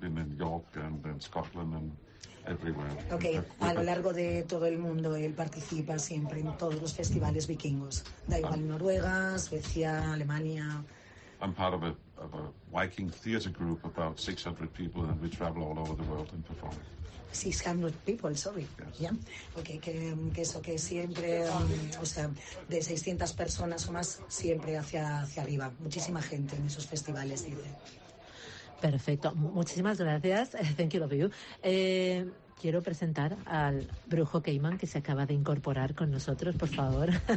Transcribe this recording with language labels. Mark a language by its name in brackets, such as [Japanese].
[English] I've been in York and in Scotland and everywhere. [Spanish] Okay, a lo largo de todo el mundo, él participa siempre en todos los festivales vikingos. Da igual Noruega, Suecia, Alemania. [English] I'm part of a Viking theater group, about 600 people, and we travel all over the world and perform. 600 people, sorry. Yes. Yeah. [Spanish] Okay, que eso, que siempre, o sea, de 600 personas o más, siempre hacia arriba. Muchísima gente en esos festivales, dice. Perfecto. Muchísimas gracias. Thank you, love you. Quiero presentar al brujo Keyman, que se acaba de incorporar con nosotros, por favor.